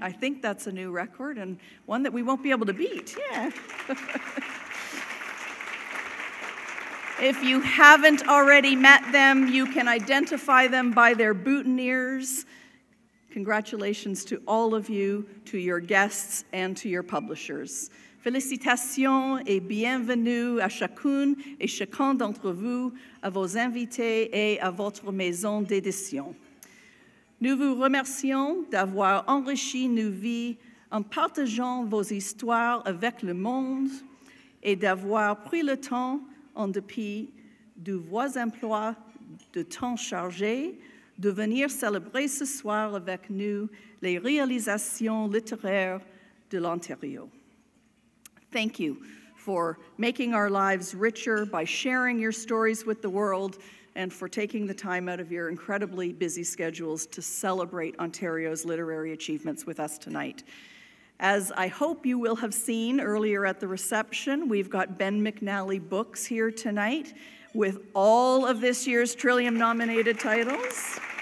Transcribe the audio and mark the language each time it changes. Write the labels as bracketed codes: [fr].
[en] I think that's a new record and one that we won't be able to beat. Yeah. If you haven't already met them, you can identify them by their boutonnieres. Congratulations to all of you, to your guests, and to your publishers. [fr] Félicitations et bienvenue à chacune et chacun d'entre vous, à vos invités et à votre maison d'édition. Nous vous remercions d'avoir enrichi nos vies en partageant vos histoires avec le monde et d'avoir pris le temps, en dépit de vos emplois de temps chargés, de venir célébrer ce soir avec nous les réalisations littéraires de l'Ontario. [en] Thank you for making our lives richer by sharing your stories with the world and for taking the time out of your incredibly busy schedules to celebrate Ontario's literary achievements with us tonight. As I hope you will have seen earlier at the reception, we've got Ben McNally Books here tonight with all of this year's Trillium nominated titles.